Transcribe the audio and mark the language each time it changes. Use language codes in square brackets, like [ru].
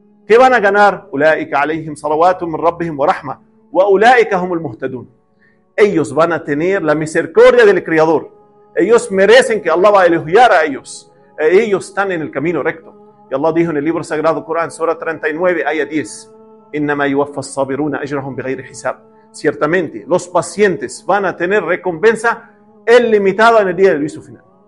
[es] ¿Qué van a ganar? [ar] أولئك عليهم صلوات من ربهم ورحمة وأولئك هم المهتدون. [es] Ellos van a tener la misericordia del Creador. Ellos merecen que Allah va a elogiar a ellos. Ellos están en el camino recto. Y Allah dijo en el libro sagrado Corán, sura 39, ayat 10. [ar] Innama yuwaffa as-sabiruna ajrahum bighayri hisab. [es] Ciertamente, los pacientes van a tener recompensa ilimitada en el día del juicio final.